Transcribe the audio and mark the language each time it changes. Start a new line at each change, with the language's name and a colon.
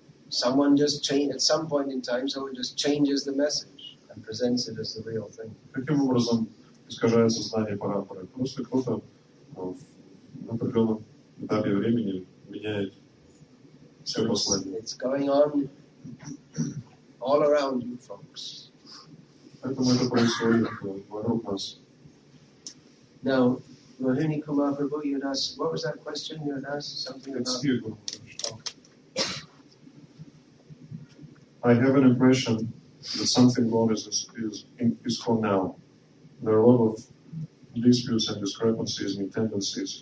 English: Someone just change at some point in time, someone just changes the message and presents it as the real thing.
Russian: Каким образом искажается знание парампары? Просто кто-то на определенном этапе времени меняет все послание.
English: It's going on all around you, folks.
Russian: Поэтому это происходит вокруг нас.
English: Now, Mohini Kumar Prabhu, you had asked, what was that question you had asked? Something about... Excuse me. I have an impression that something wrong is called now. There are a lot of disputes and discrepancies and tendencies.